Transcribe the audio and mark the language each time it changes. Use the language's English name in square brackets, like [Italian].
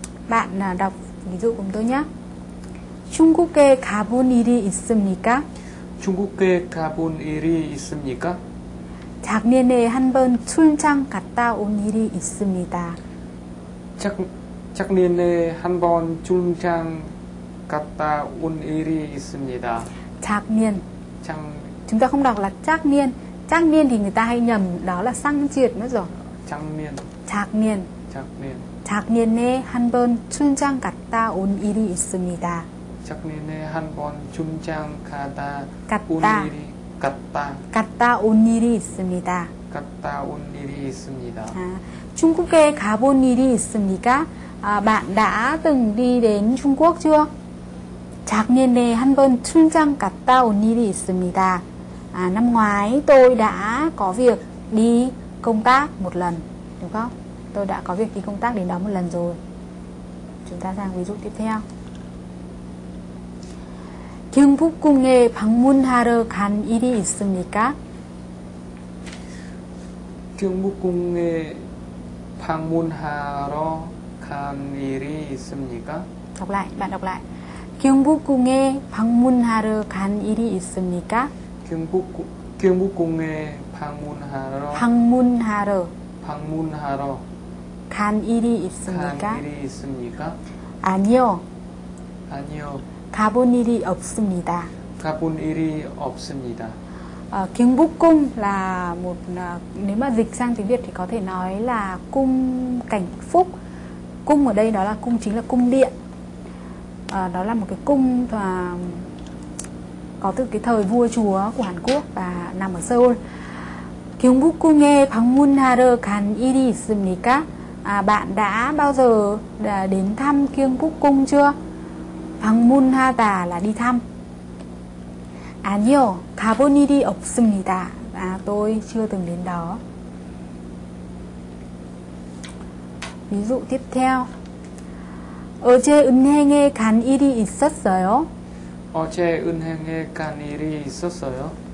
[Vietnamese] Bạn đọc ví dụ cùng tôi nhé. [Korean] 중국에 가본 일이 있습니까? 중국에 가본 일이 있습니까? 작년에 한번 출장 갔다 온 일이 있습니다. 작년에 한번 출장 갔다 온 일이 있습니다. 작년. [Vietnamese] Chúng ta không đọc là 작년. 작년 thì người ta hay nhầm, đó là sang triệt nữa rồi. [Korean] 작년. 작년. 작년. 작년에 한번 출장 갔다 온 일이 있습니다. 작년에 한번 출장 갔다 온 일이 있습니다. 갔다 온 일이 있습니다. 중국에 가본 일이 있습니까? [Vietnamese] Bạn đã từng đi đến Trung Quốc chưa? [Korean] 작년에 한번 출장 갔다 온 일이 있습니다. [Vietnamese] Năm ngoái tôi đã có việc đi công tác một lần, đúng không? Tôi đã có việc đi công tác đến đó một lần rồi. Chúng ta sang ví dụ tiếp theo. [Korean] 경복궁에 방문하러 간 일이 있습니까? 경복궁에 방문하러 간 일이 있습니까? [Vietnamese] Đọc lại, bạn đọc lại. [Korean] 경복궁에 방문하러 간 일이 있습니까? 경복궁에 방문하러 방문하러 방문하러 간 일이 있습니까? 간 일이 있습니까? 아니요. 아니요. 가본 일이 없습니다. 가본 일이 없습니다. [Vietnamese] 경복궁 là một nếu mà dịch sang tiếng Việt thì có thể nói là cung cảnh phúc. Cung ở đây đó là cung chính là cung điện. Đó là một cái cung có từ cái thời vua chúa của Hàn Quốc và nằm ở Seoul. [Korean] 경복궁에 방문하러 간 일이 있습니까? [Vietnamese] Bạn đã bao giờ đến thăm Gyeongbokgung chưa? 방문하다 là đi thăm. [Korean] 아니요, 가본 일이 없습니다. [Vietnamese] Tôi chưa từng đến đó. Ví dụ tiếp theo. [Korean] 어제 은행에 간 일이 있었어요? 어제 은행에 간 일이 있었어요?